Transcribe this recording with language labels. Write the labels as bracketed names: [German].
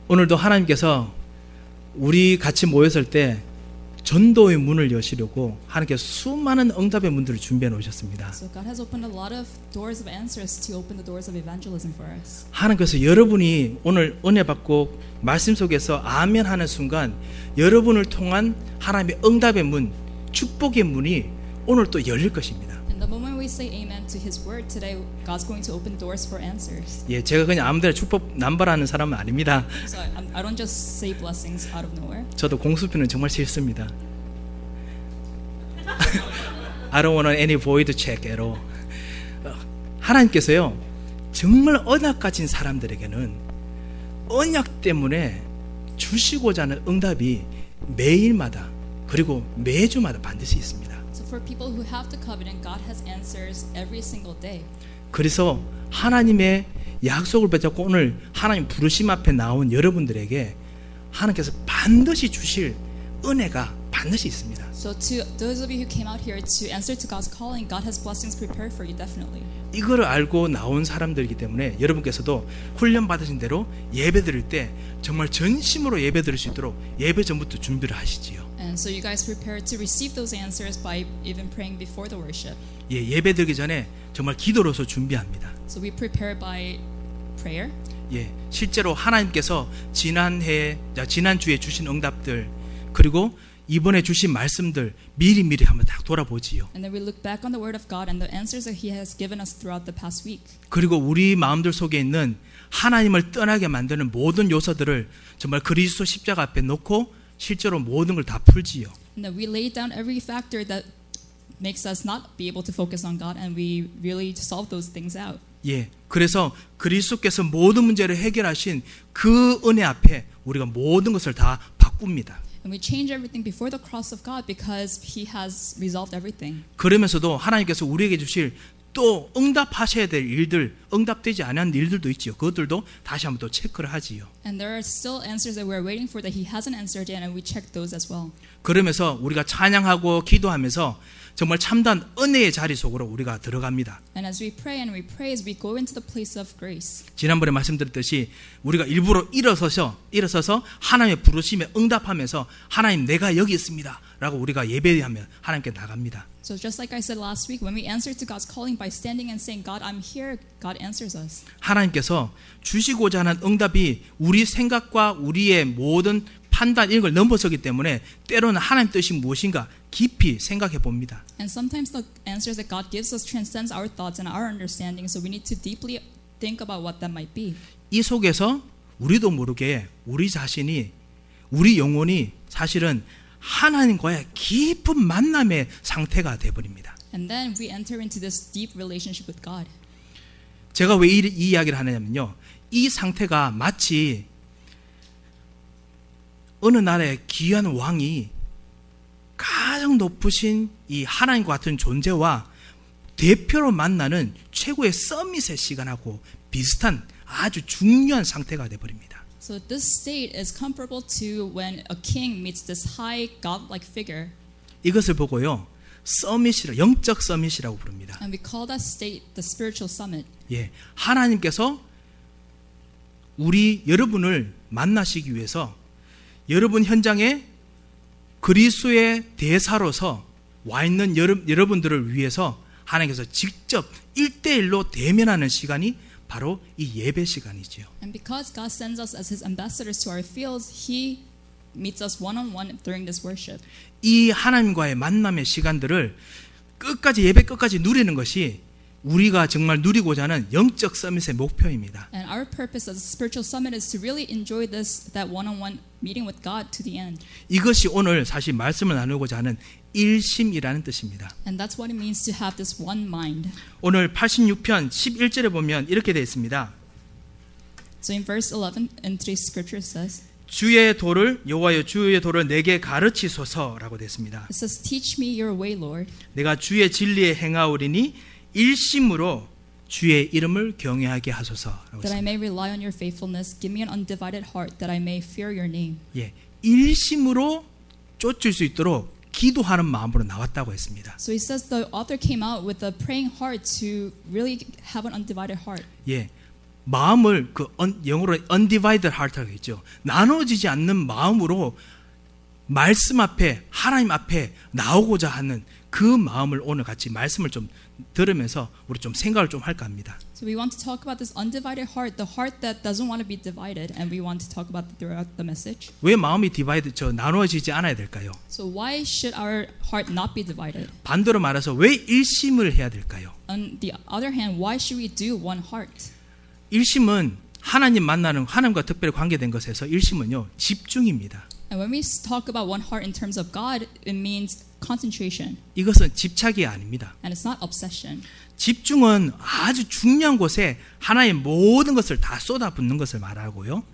[Korean] 오늘도 하나님께서 우리 같이 모였을 때 전도의 문을 여시려고 하나님께서 수많은 응답의 문들을 준비해 놓으셨습니다. [English] So God has opened a lot of doors of answers to open the doors of evangelism for us. [Korean] 하나님께서 여러분이 오늘 은혜 받고 말씀 속에서 아멘 하는 순간 여러분을 통한 하나님의 응답의 문, 축복의 문이 오늘 또 열릴 것입니다. [English] And the moment we say amen to his word today, God's going to open doors for answers. [Korean] 예, 제가 그냥 아무데나 축복 남발하는 사람은 아닙니다. [English] So I don't just say blessings out of nowhere. [Korean] 저도 공수표는 정말 싫습니다. [English] I don't want any void check at all. [Korean] 하나님께서요, 정말 언약 가진 사람들에게는 언약 때문에 주시고자 하는 응답이 매일마다 그리고 매주마다 반드시 있습니다. [English] For people who have the covenant, God has answers every single day. [Korean] 그래서 하나님의 약속을 붙잡고 오늘 하나님 부르심 앞에 나온 여러분들에게 하나님께서 반드시 주실 은혜가 반드시 있습니다. [English] So to those of you who came out here to answer to God's calling, God has blessings prepared for you definitely. [Korean] 이거를 알고 나온 사람들이기 때문에 여러분께서도 훈련 받으신 대로 예배드릴 때 정말 전심으로 예배드릴 수 있도록 예배 전부터 준비를 하시지요. [English] And so you guys prepare to receive those answers by even praying before the worship. [Korean] 예, 예배드리기 전에 정말 기도로서 준비합니다. [English] So we prepare by prayer. [Korean] 예, 실제로 하나님께서 지난주에 주신 응답들 그리고 이번에 주신 말씀들 미리미리 한번 딱 돌아보지요. [English] And then we look back on the word of God and the answers that he has given us throughout the past week. [Korean] 그리고 우리 마음들 속에 있는 하나님을 떠나게 만드는 모든 요소들을 정말 그리스도 십자가 앞에 놓고 실제로 모든 걸 다 풀지요. [English] And then we lay down every factor that makes us not be able to focus on God and we really solve those things out. [Korean] 예. 그래서 그리스도께서 모든 문제를 해결하신 그 은혜 앞에 우리가 모든 것을 다 바꿉니다. [English] And we change everything before the cross of God because he has resolved everything. [Korean] 그러면서도 하나님께서 우리에게 주실 또 응답하셔야 될 일들, 응답되지 않은 일들도 있지요. 그것들도 다시 한번 또 체크를 하지요. [English] And there are still answers that we are waiting for that he hasn't answered yet and we check those as well. [Korean] 그러면서 우리가 찬양하고 기도하면서 정말 참된 은혜의 자리 속으로 우리가 들어갑니다. [English] And as we pray and we praise, we go into the place of grace. [Korean] 지난번에 말씀드렸듯이 우리가 일부러 일어서서 하나님의 부르심에 응답하면서 하나님 내가 여기 있습니다. 라고 우리가 예배하면 하나님께 나갑니다. [English] So just like I said last week, when we answer to God's calling by standing and saying, God, I'm here, God answers us. [Korean] 하나님께서 주시고자 하는 응답이 우리 생각과 우리의 모든 판단 이런 걸 넘어서기 때문에 때로는 하나님 뜻이 무엇인가 깊이 생각해 봅니다. [English] And sometimes the answers that God gives us transcends our thoughts and our understanding, so we need to deeply think about what that might be. [Korean] 이 속에서 우리도 모르게 우리 자신이 우리 영혼이 사실은 하나님과의 깊은 만남의 상태가 되어버립니다. [English] And then we enter into this deep relationship with God. [Korean] 제가 왜 이 이야기를 하냐면요, 이 상태가 마치 어느 나라의 귀한 왕이 가장 높으신 이 하나님과 같은 존재와 대표로 만나는 최고의 서밋의 시간하고 비슷한 아주 중요한 상태가 되어버립니다. [English] So this state is comparable to when a king meets this high godlike figure. [Korean] 이것을 보고요, 서밋이라 영적 서밋이라고 부릅니다. [English] And we call that state the spiritual summit. [Korean] 예, 하나님께서 우리 여러분을 만나시기 위해서 여러분 현장에 그리스도의 대사로서 와 있는 여러분들을 위해서 하나님께서 직접 1대1로 대면하는 시간이 바로 이 예배 시간이지요. [English] And because God sends us as his ambassadors to our fields, he meets us one-on-one during this worship. [Korean] 이 하나님과의 만남의 시간들을 끝까지 예배 끝까지 누리는 것이 우리가 정말 누리고자 하는 영적 서밋의 목표입니다. [English] And our purpose as a spiritual summit is to really enjoy this that one-on-one meeting with God to the end. [Korean] 이것이 오늘 사실 말씀을 나누고자 하는 일심이라는 뜻입니다. [English] And that's what it means to have this one mind. [Korean] 오늘 86편 11절에 보면 이렇게 되어 있습니다. [English] So in verse 11 in three scriptures says [Korean] 주의 도를 여호와여 주의 도를 내게 가르치소서라고 되었습니다. [English] It says teach me your way, Lord. [Korean] 내가 주의 진리에 행하오리니 일심으로 주의 이름을 경외하게 하소서. [English] That I may rely on your faithfulness, give me an undivided heart that I may fear your name. [Korean] 예, 일심으로 쫓을 수 있도록 기도하는 마음으로 나왔다고 했습니다. [English] So he says the author came out with a praying heart to really have an undivided heart. [Korean] 예, 마음을 그 영어로 [English] undivided heart [Korean] 라고 했죠. 나눠지지 않는 마음으로 말씀 앞에 하나님 앞에 나오고자 하는 그 마음을 오늘 같이 말씀을 좀 들으면서 우리 좀 생각을 좀 할까 합니다. [English] So we want to talk about this undivided heart, the heart that doesn't want to be divided, and we want to talk about throughout the message. [Korean] 왜 마음이 [English] divided, [Korean] 저 나누어지지 않아야 될까요? [English] So why should our heart not be divided? [Korean] 반대로 말해서 왜 일심을 해야 될까요? [English] On the other hand, why should we do one heart? [Korean] 일심은 하나님 만나는 하나님과 특별히 관계된 것에서 일심은요 집중입니다. [English] And when we talk about one heart in terms of God, it means concentration. [Korean] 이것은 집착이 아닙니다. [English] And it's not obsession. [Korean] 집중은 아주 중요한 곳에 하나의 모든 것을 다 쏟아붓는 것을 말하고요.